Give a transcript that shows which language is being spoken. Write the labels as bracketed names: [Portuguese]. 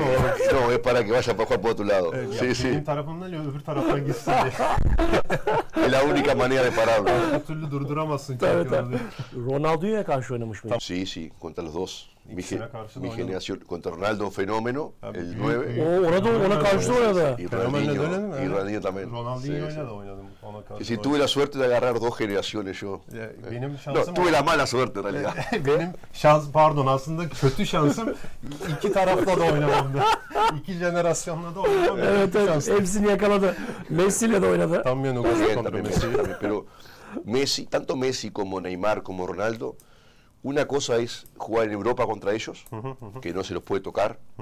[Spanish] no, es para que vaya poco a poco a tu lado. Sí, sí. [Turkish] Benim tarafımdan ya öbür tarafa gitsin diye. [Spanish] La única manera de pararlo. [Turkish] Bu türlü durduramazsın kendini. Tabii. Ronaldo'ya karşı oynamış mı? [Spanish] Sí, sí, contra los dos. Mi generación contra Ronaldo fenómeno, abi, el 9. [Turkish] Ona karşı da oynadı. [Spanish] Ronaldinho también. [Turkish] Ronaldinho sí, oynadım ona karşı. [Spanish] Si tuve la suerte de agarrar dos generaciones yo. [Turkish] Benim şansım. [Spanish] No, tuve la mala suerte en realidad. [Turkish] Benim aslında kötü şansım iki tarafla da oynamamdı. İki jenerasyonla da oynamamdı. Evet, hepsini yakaladı. Messi'yle de oynadı. [Spanish] También jugó contra Messi, pero Messi, tanto Messi como Neymar como Ronaldo. Una cosa es jugar en Europa contra ellos, que no se los puede tocar.